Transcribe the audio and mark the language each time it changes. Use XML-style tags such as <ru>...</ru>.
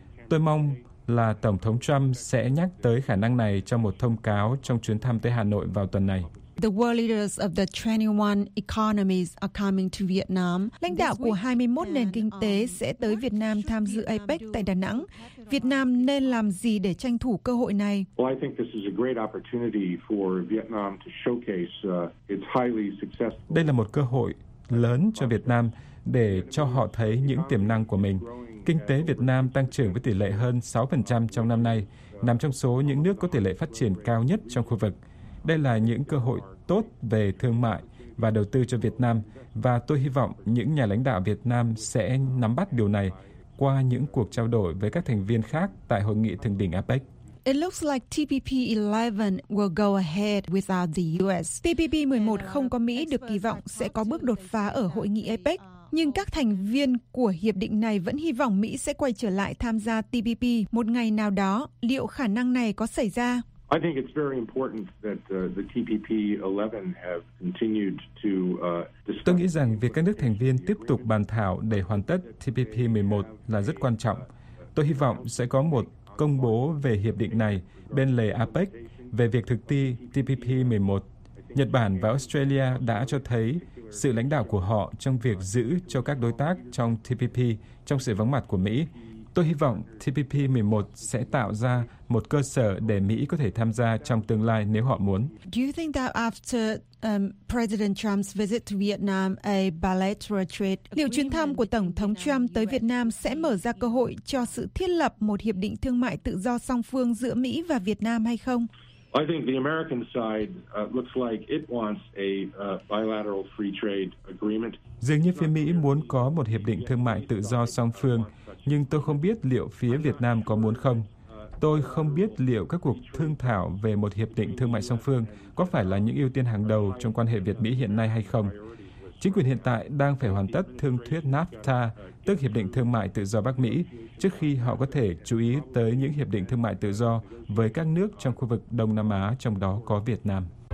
<vi>Tôi mong là Tổng thống Trump sẽ nhắc tới khả năng này trong một thông cáo trong chuyến thăm tới Hà Nội vào tuần này.</vi> <en>The world leaders of the 21 economies are coming to Vietnam.</en> <vi>Lãnh đạo của 21 nền kinh tế sẽ tới Việt Nam tham dự APEC tại Đà Nẵng. Việt Nam nên làm gì để tranh thủ cơ hội này?</vi> <en>Well, I think this is a great opportunity for Vietnam to showcase its highly successful.</en> <vi>Đây là một cơ hội lớn cho Việt Nam để cho họ thấy những tiềm năng của mình. Kinh tế Việt Nam tăng trưởng với tỷ lệ hơn 6% trong năm nay, nằm trong số những nước có tỷ lệ phát triển cao nhất trong khu vực. Đây là những cơ hội tốt về thương mại và đầu tư cho Việt Nam, và tôi hy vọng những nhà lãnh đạo Việt Nam sẽ nắm bắt điều này qua những cuộc trao đổi với các thành viên khác tại hội nghị thượng đỉnh APEC.</vi> <en>It looks like TPP-11 will go ahead without the US.</en> <vi>TPP-11 không có Mỹ được kỳ vọng sẽ có bước đột phá ở hội nghị APEC. Nhưng các thành viên của hiệp định này vẫn hy vọng Mỹ sẽ quay trở lại tham gia TPP một ngày nào đó. Liệu khả năng này có xảy ra?</vi> <en>I think it's very important that the TPP-11 have continued to discuss.</en> <vi>Tôi nghĩ rằng việc các nước thành viên tiếp tục bàn thảo để hoàn tất TPP-11 là rất quan trọng. Tôi hy vọng sẽ có một công bố về hiệp định này bên lề APEC về việc thực thi TPP-11. Nhật Bản và Australia đã cho thấy sự lãnh đạo của họ trong việc giữ cho các đối tác trong TPP trong sự vắng mặt của Mỹ. Tôi hy vọng TPP-11 sẽ tạo ra một cơ sở để Mỹ có thể tham gia trong tương lai nếu họ muốn.</vi> <en>Do you think that after President Trump's visit to Vietnam, a bilateral trade,</en> <vi>liệu chuyến thăm của Tổng thống Trump tới Việt Nam sẽ mở ra cơ hội cho sự thiết lập một hiệp định thương mại tự do song phương giữa Mỹ và Việt Nam hay không?</vi> <en>I think the American side looks like it wants a bilateral free trade agreement.</en> <vi>Dường như phía Mỹ muốn có một hiệp định thương mại tự do song phương, nhưng tôi không biết liệu phía Việt Nam có muốn không. Tôi không biết liệu các cuộc thương thảo về một hiệp định thương mại song phương có phải là những ưu tiên hàng đầu trong quan hệ Việt-Mỹ hiện nay hay không. Chính quyền hiện tại đang phải hoàn tất thương thuyết NAFTA, tức Hiệp định Thương mại Tự do Bắc Mỹ, trước khi họ có thể chú ý tới những hiệp định thương mại tự do với các nước trong khu vực Đông Nam Á, trong đó có Việt Nam.</vi>